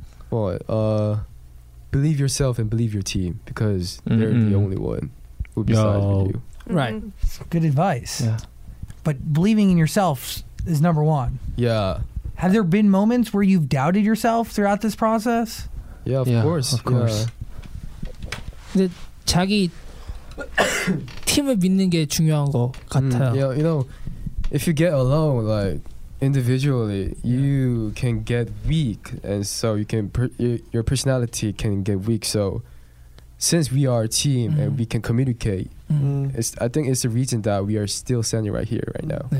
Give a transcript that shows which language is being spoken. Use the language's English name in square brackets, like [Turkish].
[English] Believe yourself and believe your team, because they're the only one who besides you. Right. Good advice. Yeah. But believing in yourself is number one. Yeah. Have there been moments where you've doubted yourself throughout this process? Yeah, of course. Of course. [Korean] 근데 자기 팀을 믿는 게 중요한 거 같아요. [English] Yeah, you know, if you get alone, like, individually, you can get weak, and so you can your personality can get weak, so... Since we are a team and we can communicate, I think it's the reason that we are still standing right here, right now.